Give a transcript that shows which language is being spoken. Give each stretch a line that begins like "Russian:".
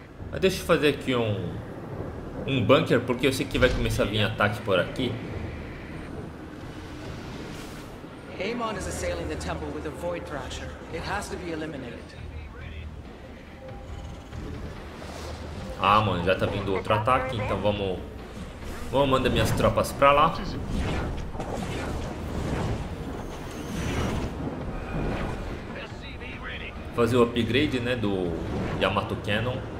Portuguese: Mas deixa eu fazer aqui um bunker, porque eu sei que vai começar a vir ataque por aqui.
English: Amon is assailing the temple with a void thrasher. It has to be eliminated.
Portuguese: Ah, mano, já tá vindo outro ataque, então vamos mandar minhas tropas pra lá. Fazer o upgrade, né, do Yamato Cannon.